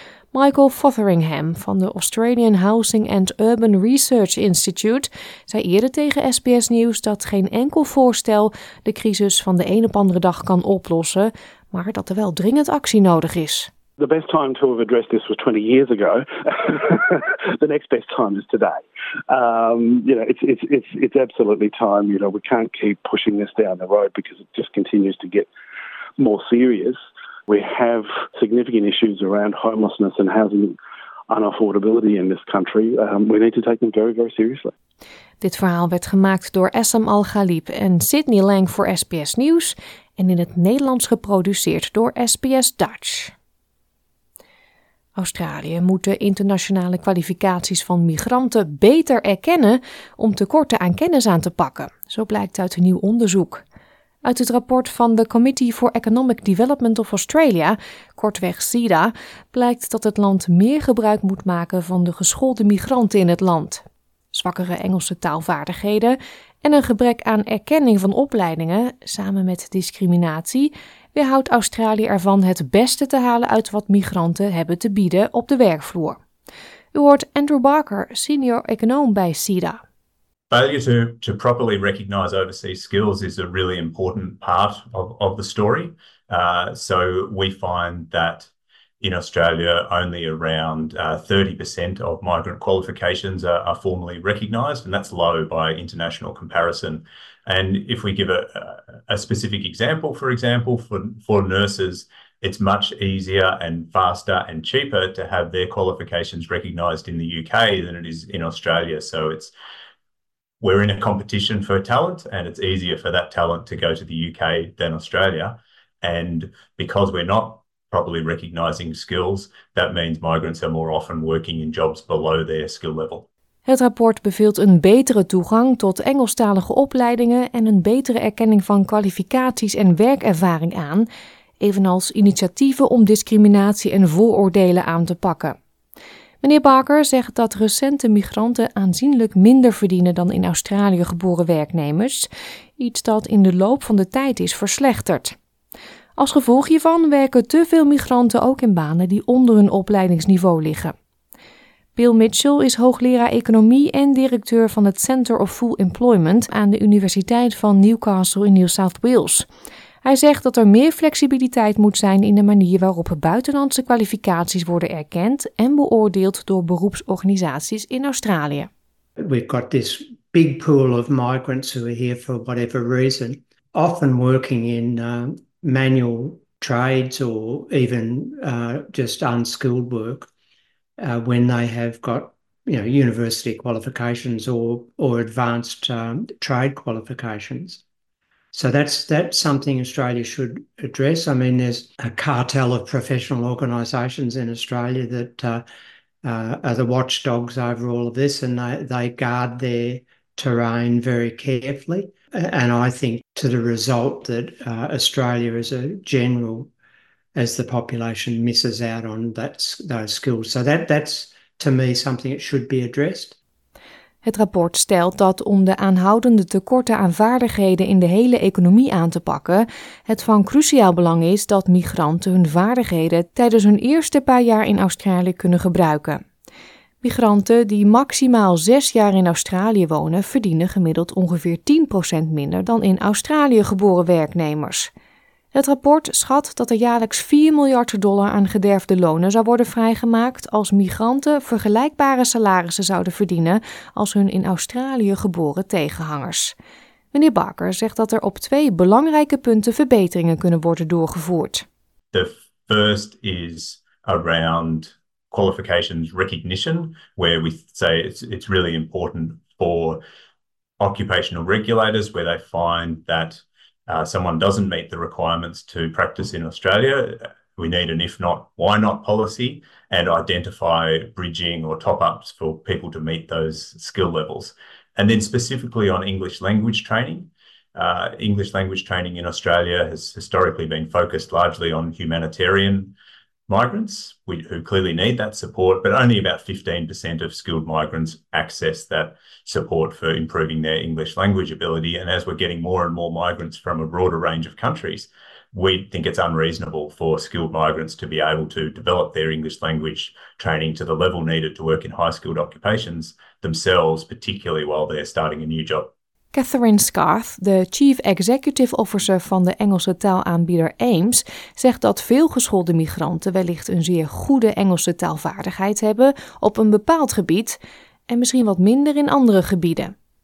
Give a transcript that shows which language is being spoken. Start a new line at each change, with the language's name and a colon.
Dutch: Michael Fotheringham van de Australian Housing and Urban Research Institute zei eerder tegen SBS Nieuws dat geen enkel voorstel de crisis van de een op andere dag kan oplossen, maar dat er wel dringend actie nodig is.
English: The best time to have addressed this was 20 years ago. The next best time is today. It's absolutely time. You know, we can't keep pushing this down the road because it just continues to get more serious. We have significant issues around homelessness and housing unaffordability in this country. We need to take them very, very seriously.
Dutch: Dit verhaal werd gemaakt door Essam Al-Ghalib en Sydney Lang voor SBS Nieuws en in het Nederlands geproduceerd door SBS Dutch. Australië moet de internationale kwalificaties van migranten beter erkennen om tekorten aan kennis aan te pakken. Zo blijkt uit een nieuw onderzoek. Uit het rapport van de Committee for Economic Development of Australia, kortweg CEDA, blijkt dat het land meer gebruik moet maken van de geschoolde migranten in het land. Zwakkere Engelse taalvaardigheden en een gebrek aan erkenning van opleidingen, samen met discriminatie, weerhoudt Australië ervan het beste te halen uit wat migranten hebben te bieden op de werkvloer. U hoort Andrew Barker, senior econoom bij CEDA.
English: Failure to properly recognise overseas skills is a really important part of the story. So we find that in Australia, only around 30% of migrant qualifications are formally recognised, and that's low by international comparison. And if we give a specific example, for example, for nurses, it's much easier and faster and cheaper to have their qualifications recognised in the UK than it is in Australia. So it's we're in a competition for talent, and it's easier for that talent to go to the UK than Australia. And because we're not properly recognizing skills, that means migrants are more often working in jobs below their skill level.
Dutch: Het rapport beveelt een betere toegang tot Engelstalige opleidingen en een betere erkenning van kwalificaties en werkervaring aan, evenals initiatieven om discriminatie en vooroordelen aan te pakken. Meneer Barker zegt dat recente migranten aanzienlijk minder verdienen dan in Australië geboren werknemers, iets dat in de loop van de tijd is verslechterd. Als gevolg hiervan werken te veel migranten ook in banen die onder hun opleidingsniveau liggen. Bill Mitchell is hoogleraar economie en directeur van het Center of Full Employment aan de Universiteit van Newcastle in New South Wales. Hij zegt dat er meer flexibiliteit moet zijn in de manier waarop buitenlandse kwalificaties worden erkend en beoordeeld door beroepsorganisaties in Australië.
English: We've got this big pool of migrants who are here for whatever reason, often working in manual trades or even just unskilled work when they have got, you know, university qualifications or advanced trade qualifications. So that's something Australia should address. I mean, there's a cartel of professional organisations in Australia that are the watchdogs over all of this, and they guard their terrain very carefully. And I think to the result that Australia as a general as the population misses out on that, those skills. So that's to me something that should be addressed.
Dutch: Het rapport stelt dat om de aanhoudende tekorten aan vaardigheden in de hele economie aan te pakken, het van cruciaal belang is dat migranten hun vaardigheden tijdens hun eerste paar jaar in Australië kunnen gebruiken. Migranten die maximaal 6 jaar in Australië wonen, verdienen gemiddeld ongeveer 10% minder dan in Australië geboren werknemers. Het rapport schat dat er jaarlijks 4 miljard dollar aan gederfde lonen zou worden vrijgemaakt als migranten vergelijkbare salarissen zouden verdienen als hun in Australië geboren tegenhangers. Meneer Barker zegt dat er op 2 belangrijke punten verbeteringen kunnen worden doorgevoerd.
English: The first is around qualifications recognition, where we say it's really important for occupational regulators where they find that someone doesn't meet the requirements to practice in Australia. We need an if not, why not policy and identify bridging or top-ups for people to meet those skill levels. And then specifically on English language training in Australia has historically been focused largely on humanitarian migrants who clearly need that support, but only about 15% of skilled migrants access that support for improving their English language ability. And as we're getting more and more migrants from a broader range of countries, we think it's unreasonable for skilled migrants to be able to develop their English language training to the level needed to work in high-skilled occupations themselves, particularly while they're starting a new job.
Dutch: Catherine Scarth, de Chief Executive Officer van de Engelse taalaanbieder Aims, zegt dat veel geschoolde migranten wellicht een zeer goede Engelse taalvaardigheid hebben op een bepaald gebied en misschien wat minder in andere gebieden.